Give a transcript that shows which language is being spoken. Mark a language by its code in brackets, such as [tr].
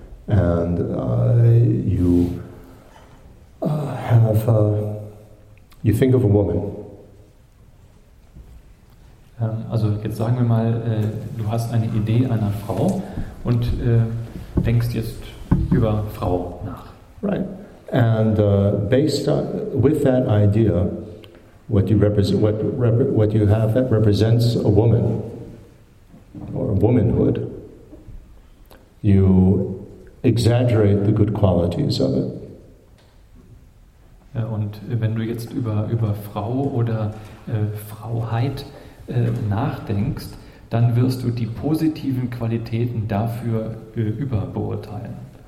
[en] And you think of a woman. [de] Also jetzt sagen wir mal, du hast eine Idee einer Frau und denkst jetzt über Frau nach. [en] Right. And based on, with that idea, what you have that represents a woman or womanhood, you exaggerate the good qualities of it. [de] Und wenn du jetzt über Frau oder Frauheit nachdenkst, dann wirst du die positiven Qualitäten dafür überbeurteilen.